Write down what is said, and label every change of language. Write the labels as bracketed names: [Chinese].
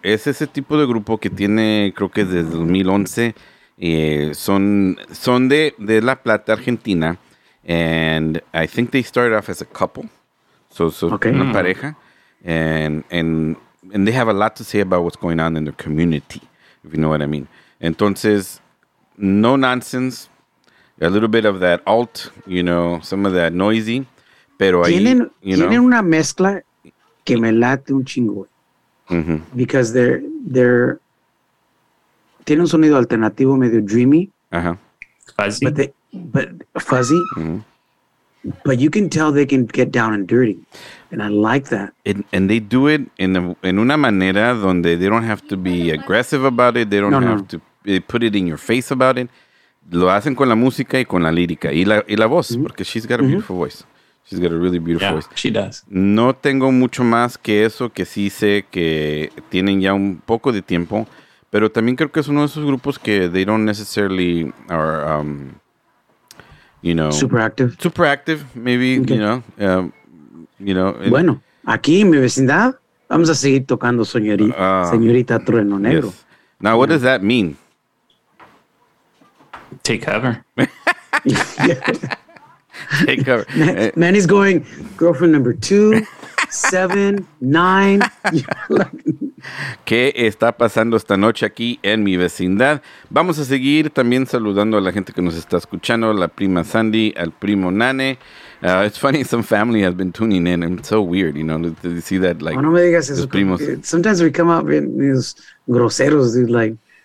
[Spanish] Es ese tipo de grupo que tiene, creo que desde 2011. Son de [English] La Plata, Argentina, and I think they started off as a couple. So okay. [Spanish] Una pareja. [English] And they have a lot to say about what's going on in their community, if you know what I mean. [Spanish] Entonces, [English] no nonsense, a little bit of that alt, you know, some of that noisy, [Spanish] pero tienen, ahí, [English] you [Spanish] tienen [English] know. [Spanish] Una mezcla que me late un chingo. Mm-hmm. [English] Because they're [Spanish] tiene un sonido alternativo medio [English] dreamy. Uh-huh. Fuzzy. But fuzzy. Mm-hmm. But you can tell they can get down and dirty. And I like that. And they do it in [Spanish] una manera donde [English] they don't have to be aggressive about it. They don't to put it in your face about it. [Spanish] Lo hacen con la música y con la lírica. Y la voz, [English] mm-hmm. [Spanish] porque [English] she's got a beautiful mm-hmm. voice. She's got a really beautiful voice. Yeah, she does. [Spanish] No tengo mucho más que eso, que sí sé que tienen ya un poco de tiempo. Pero también creo que es uno de esos grupos que [English] they don't necessarily are, you know. Super active, maybe, okay. you know. [Spanish] Bueno, aquí en mi vecindad, vamos a seguir tocando señorita Trueno Negro. [English] Yes. Now, what does that mean? Take cover. Take cover. Manny's going, girlfriend number 2, 7, 9. [Spanish] ¿Qué está pasando esta noche aquí en mi vecindad? Vamos a seguir también saludando a la gente que nos está escuchando, la prima Sandy, al primo Nane. [English] It's funny, some family has been tuning in. It's so weird, you know, to see that, like, [Spanish] no me digas eso, primos. [English] Sometimes we come out being these groseros, dude, like.